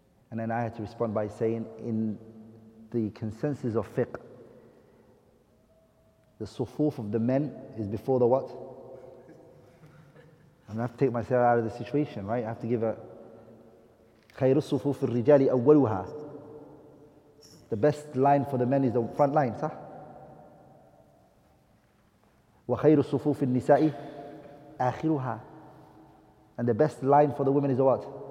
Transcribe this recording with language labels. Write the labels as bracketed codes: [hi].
[en] And then I had to respond by saying, in the consensus of fiqh, the sufuf of the men is before the what? I'm gonna have to take myself out of the situation, right? I have to give a [ar] خير الصفوف الرجال أولها. [en] The best line for the men is the front line, [ar] صح? وخير الصفوف النساء آخرها. [en] And the best line for the women is the what?